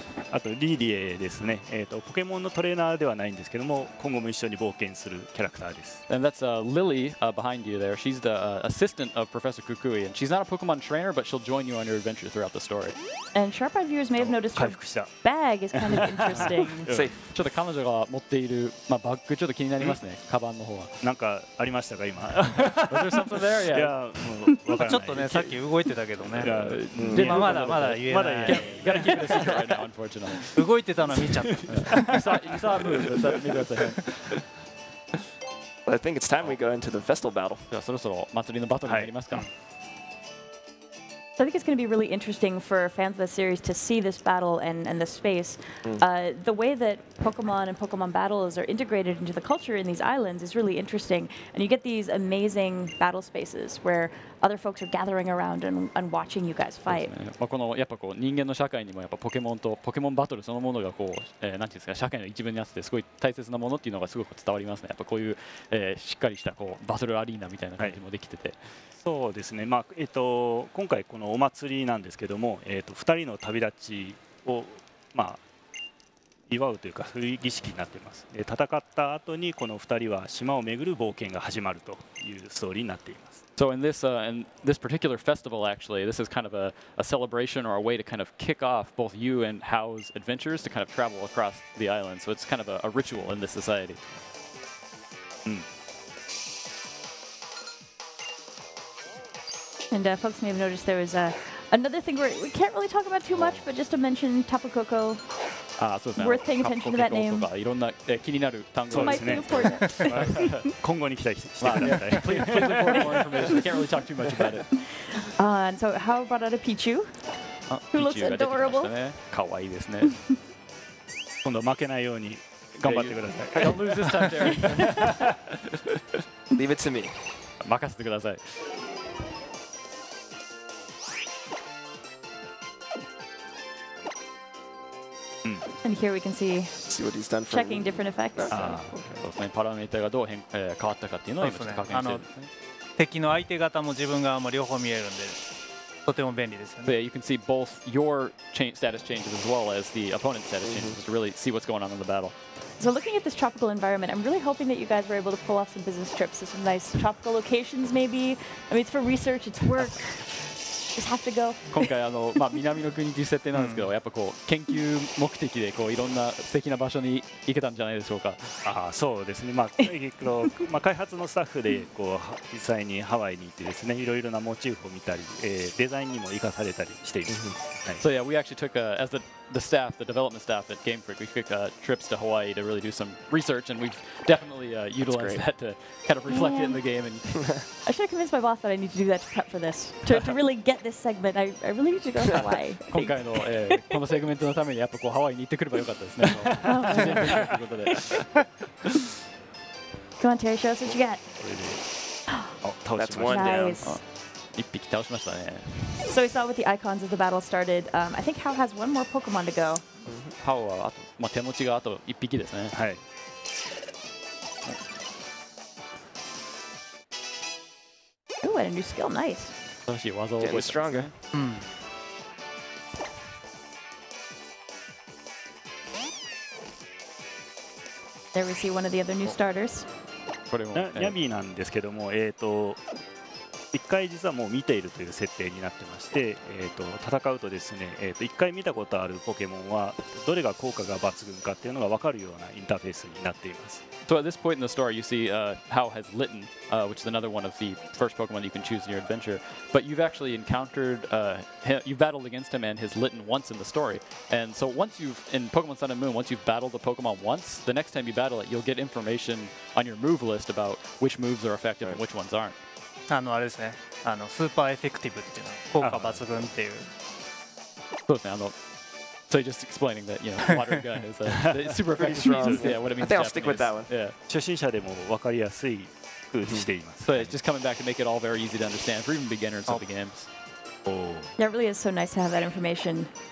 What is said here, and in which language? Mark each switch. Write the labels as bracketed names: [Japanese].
[Japanese] あとリーディエですね、ポケモンのトレーナーではないんですけども今後も一緒に冒険するキャラクターです [English] And that's Lily behind you there. She's the assistant of Professor Kukui and she's not a Pokemon trainer but she'll join you on your adventure throughout the story And sharp-eyed viewers may have noticed her bag is kind of interesting [Japanese] ちょっと彼女が持っている、まあ、バッグちょっと気になりますねカバンの方はなんかありましたか今 [English] Was there something there? [Japanese] いやもう分からないちょっとねさっき動いてたけどねでもまだまだ言えない [English] Gotta keep it a secret right now, unfortunately [Japanese] 動いてたの見ちゃった。ミサーブ、見てください。 [English] Well, I think it's time we go into the festival battle. [Japanese] じゃあそろそろ祭りのバトルに入りますか。 [English] So I think it's going to be really interesting for fans of the series to see this battle and the space. The way that Pokemon and Pokemon battles are integrated into the culture in these islands is really interesting. And you get these amazing battle spaces where other folks are gathering around and watching you guys fight. [Japanese] まあこのやっぱこう人間の社会にもやっぱポケモンとポケモンバトルそのものがこう、なんていうんですか社会の一部にあってすごい大切なものっていうのがすごく伝わりますね。やっぱこういう、しっかりしたこうバトルアリーナみたいな感じもできてて。はいそうですね、まあ今回このお祭りなんですけども、2人の旅立ちを、まあ、祝うというかそういう儀式になっています戦った後にこの2人は島を巡る冒険が始まるというストーリーになっています [English] So in this particular festival, actually, this is kind of a celebration or a way to kind of kick off both you and Hao's adventures to kind of travel across the island. So it's kind of a ritual in this society. And folks may have noticed there was another thing we can't really talk about too much, but just to mention Tapu Koko. Ah, so it's worth paying attention to that name. [Japanese] いろんな気になる単語ですね。今後に期待してください。 [English] Please report more information. Can't really talk too much about it. And so, how about a Pichu? Who looks adorable? [Japanese] かわいいですね。今度負けないように頑張ってください。 [English] Don't lose this time, Jerry. Leave it to me. [Japanese] 任せてください。 [English] And here we can see, what he's done checking different effects. [Japanese] そうですね。パラメータがどう変、変わったかっていうのを今ちょっと確認してるんですね。敵の相手方も自分側も両方見えるんで、とても便利ですよね。 [English] Yeah, you can see both your status changes as well as the opponent's status changes to really see what's going on in the battle. So looking at this tropical environment, I'm really hoping that you guys were able to pull off some business trips to some nice tropical locations maybe. I mean, it's for research, it's work. [Japanese] 今回まあ、南の国という設定なんですけど、やっぱこう研究目的でこういろんな素敵な場所に行けたんじゃないでしょうか。ああ、そうですね。まあ、まあ、開発のスタッフでこう実際にハワイに行ってですね、いろいろなモチーフを見たり、デザインにも生かされたりしています。はい、 [English] so yeah, we actually took as the staff, the development staff at Game Freak, we took trips to Hawaii to really do some research, and we've definitely utilized that to kind of reflect it in the game. And I should convince my boss that I need to do that to prep for this, to really get this segment. I really need to go to Hawaii. [Japanese] 今回の、このセグメントのためにやっぱこうハワイに行ってくればよかったですね。 [English] Come on, Terry, show us what you got. That's one down. Nice. [Japanese] 一匹倒しましたね。 [English] So we saw with the icons as the battle started. I think Hao has one more Pokemon to go. [Japanese] Hao はあと、まあ、手持ちがあと1匹ですね。はい。 [English] Ooh, and a new skill, nice. [Japanese] 新しい技を覚えた。 [English] Getting stronger. [Japanese] うん。 [English] There we see one of the other new starters. [Japanese] これも。ヤビーなんですけども、一回実はもう見ているという設定になってまして、戦うとですね、一回見たことあるポケモンはどれが効果が抜群かっていうのが分かるようなインターフェースになっています。 [English] So at this point in the story, you see Hao has Litten, which is another one of the first Pokemon you can choose in your adventure. But you've actually encountered, you've battled against him and his Litten once in the story. And so once you've, in Pokemon Sun and Moon, once you've battled a Pokemon once, the next time you battle it, you'll get information on your move list about which moves are effective right. and which ones aren't. [Japanese] あれですね、スーパーエフェクティブっていうのは効果抜群っていう。そうですね、 [English] So just explaining that, you know, water gun is a super effective strong. Yeah, what it means. I think I'll stick with that one. Yeah. [Japanese] 初心者でも分かりやすい mm-hmm. [English] So it's just coming back and make it all very easy to understand for even beginners of the games. Oh. Yeah, it really is so nice to have that information.